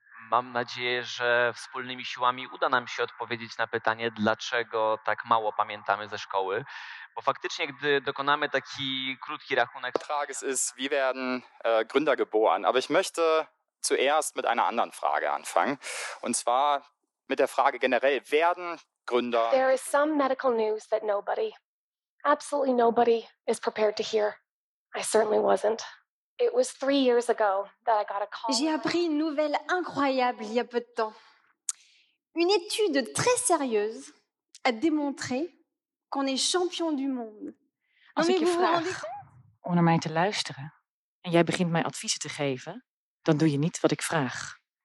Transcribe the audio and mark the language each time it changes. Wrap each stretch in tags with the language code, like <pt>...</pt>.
<pl>Mam nadzieję, że wspólnymi siłami uda nam się odpowiedzieć na pytanie, dlaczego tak mało pamiętamy ze szkoły. Bo faktycznie, gdy dokonamy taki krótki rachunek...</pl> <de>Frage ist, wie werden Gründer geboren? Aber ich möchte zuerst mit einer anderen Frage anfangen. Und zwar mit der Frage generell, werden Gründer...</de> <en>There is some medical news that nobody, absolutely nobody, is prepared to hear. I certainly wasn't. It was 3 years ago that I got a call.</en> <fr>J'ai appris une nouvelle incroyable il y a peu de temps. Une étude très sérieuse a démontré qu'on est champion du monde.</fr> <nl>Als ik je vraag om naar mij te luisteren en jij begint mij adviezen te geven, dan doe je niet wat ik vraag.</nl>